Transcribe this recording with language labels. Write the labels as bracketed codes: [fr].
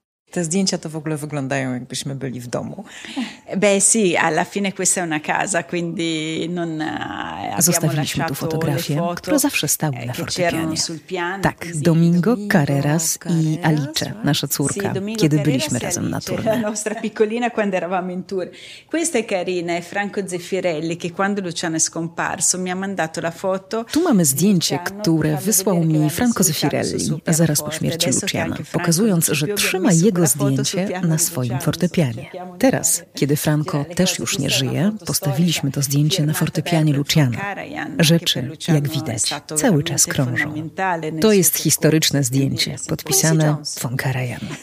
[pl] Te zdjęcia to w ogóle wyglądają, jakbyśmy byli w domu. [it] Beh, sì, alla fine questa è una casa, quindi non [pl] zostawiliśmy tu fotografie, które zawsze stały na fortepianie. Tak, Domingo Carreras i Alice, nasza córka, kiedy byliśmy razem na turnie. [it] La nostra piccolina quando eravamo in tour. Questa è carina, è Franco Zeffirelli, che quando Luciano è scomparso mi ha mandato la foto. [pl] Tu mamy zdjęcie, które wysłał mi Franco Zeffirelli zaraz po śmierci Luciana, pokazując, że trzyma jego zdjęcie na swoim fortepianie. Teraz, kiedy Franco też już nie żyje, postawiliśmy to zdjęcie na fortepianie Luciana. Rzeczy, jak widać, cały czas krążą. To jest historyczne zdjęcie, podpisane von Karajan.